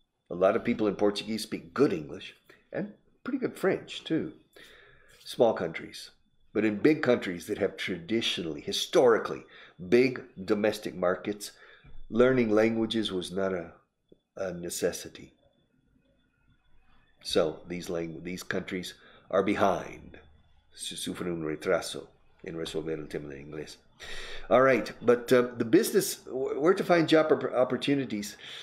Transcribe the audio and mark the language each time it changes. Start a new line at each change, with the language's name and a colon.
English: A lot of people in Portuguese speak good English and pretty good French, too. Small countries. But in big countries that have traditionally, historically, big domestic markets, learning languages was not a necessity. So these countries are behind.
Spanish: Sufren un retraso en resolver el tema de inglés.
English: All right, but the business, where to find job opportunities?